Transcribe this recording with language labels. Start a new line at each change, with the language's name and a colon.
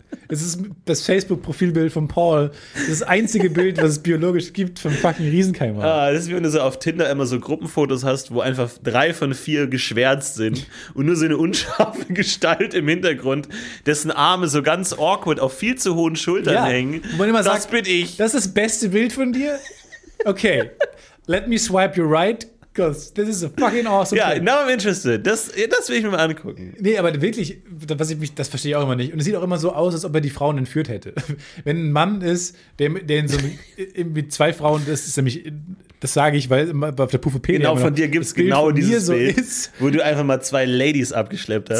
German: Es ist das Facebook-Profilbild von Paul. Das ist das einzige Bild, was es biologisch gibt vom fucking Riesenkalmar. Ah, das ist wie wenn du so auf Tinder immer so Gruppenfotos hast, wo einfach 3 von 4 geschwärzt sind und nur so eine unscharfe Gestalt im Hintergrund, dessen Arme so ganz awkward auf viel zu hohen Schultern hängen. Wo man immer das sagt, bin ich. Das ist das beste Bild von dir?
English: Okay, let me swipe your right. This is a fucking awesome thing. Ja, now I'm interested.
German: Das will ich mir mal angucken. Nee, aber wirklich, das verstehe ich auch immer nicht. Und es sieht auch immer so aus, als ob er die Frauen entführt hätte. Wenn ein Mann ist, der in so mit 2 Frauen, das ist nämlich, das sage ich, weil auf der Puffe genau, von dir gibt es genau dieses Bild, wo du einfach mal 2 Ladies abgeschleppt hast.